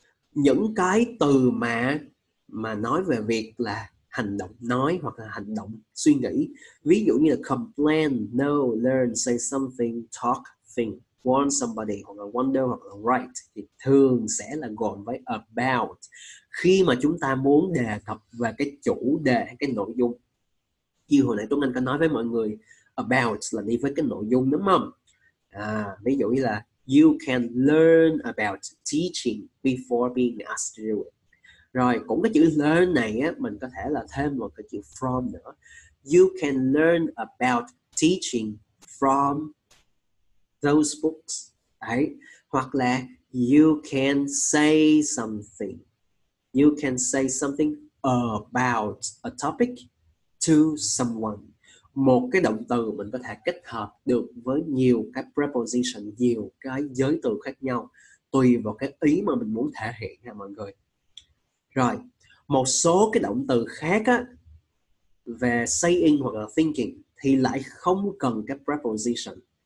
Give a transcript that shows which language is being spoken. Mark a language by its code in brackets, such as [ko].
[vi] Những cái từ mà nói về việc là hành động nói hoặc là hành động suy nghĩ, ví dụ như là complain, know, learn, say something, talk, think, warn somebody hoặc là wonder hoặc là write, thì thường sẽ là gồm với about. Khi mà chúng ta muốn đề cập về cái chủ đề, cái nội dung, như hồi nãy Tuấn Anh có nói với mọi người, about là đi với cái nội dung đúng không? À, ví dụ như là [en] you can learn about teaching before being asked to do it. [vi] Rồi cũng cái chữ learn này á, mình có thể là thêm một cái chữ from nữa. [en] You can learn about teaching from those books. [vi] Đấy. Hoặc là [en] you can say something. You can say something about a topic to someone. [vi] Một cái động từ mình có thể kết hợp được với nhiều cái preposition, nhiều cái giới từ khác nhau, tùy vào cái ý mà mình muốn thể hiện nha mọi người. Rồi, một số cái động từ khác á, về saying hoặc là thinking, thì lại không cần cái preposition.